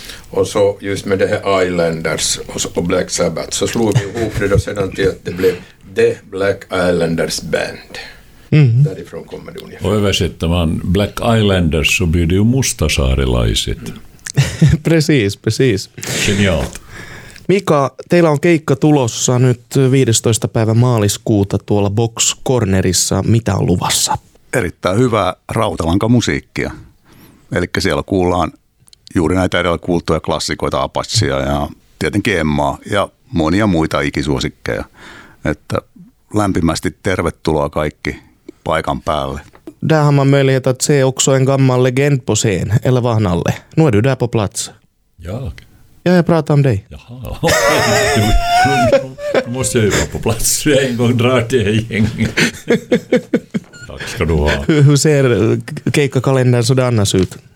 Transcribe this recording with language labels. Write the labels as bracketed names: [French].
[Swedish] Och så just med det här Islanders och Black Sabbath så slog vi ihop det och sedan till att det blev The Black Islanders Band. Mm-hmm. Därifrån kommer det ungefär. Och översätter man Black Islanders så blir det ju Mustasaarilaiset. Precis. Genialt. [Finnish] Mika, teillä on keikka tulossa nyt 15. päivä maaliskuuta tuolla Box Cornerissa. Mitä on luvassa? Erittäin hyvää rautalankamusiikkia. Eli siellä kuullaan juuri näitä edellä kuultuja klassikoita, Apachea ja tietenkin Emmaa ja monia muita ikisuosikkeja. Että lämpimästi tervetuloa kaikki paikan päälle. [Swedish] Där har man möjlighet att se också en gammal legend på scen, eller vad han alle. Nu är du där på plats. Ja, jag pratar om dig. Jaha, okej. Nu måste jag ju vara på plats. Jag en gång drar till en gäng. Tack ska du ha. Hur ser keikkakalendern sådär annars ut?